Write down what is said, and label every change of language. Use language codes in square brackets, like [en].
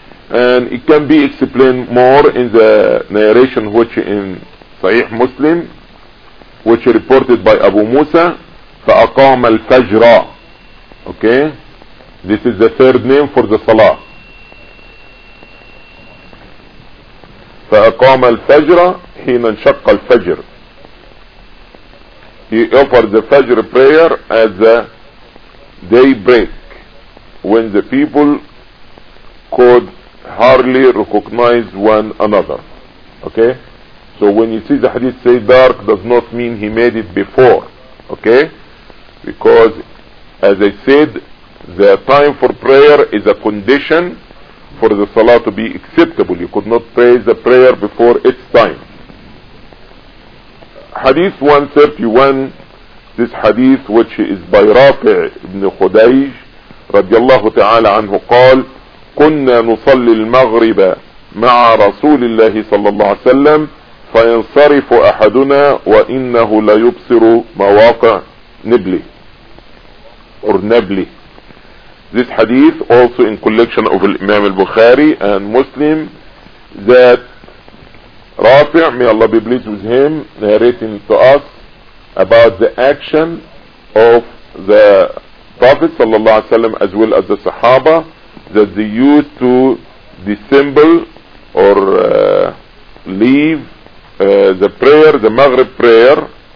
[en] And it can be explained more in the narration which in Sahih Muslim, which reported by Abu Musa, [ar] فأقام الفجر. [en] Okay? This is the third name for the salah. [ar] فأقام الفجر حين انشق الفجر. [en] He offered the Fajr prayer at the daybreak, when the people could hardly recognize one another. Okay? So when you see the hadith say dark, does not mean he made it before. Okay? Because, as I said, the time for prayer is a condition for the salah to be acceptable. You could not pray the prayer before its time. Hadith 131, this hadith which is by Rafi' ibn Khudayj [ar] رضي الله تعالى عنه قال كنا نصلي المغرب مع رسول الله صلى الله عليه وسلم فينصرف أحدنا وإنه لا يبصر مواقع نبله or نبله. [en] This hadith also in collection of Imam al-Bukhari and Muslim that Rafi', may Allah be pleased with him, narrating to us about the action of the Prophet sallallahu alaihi wasallam as well as the Sahaba, that they used to dissemble or leave the prayer, the Maghrib prayer,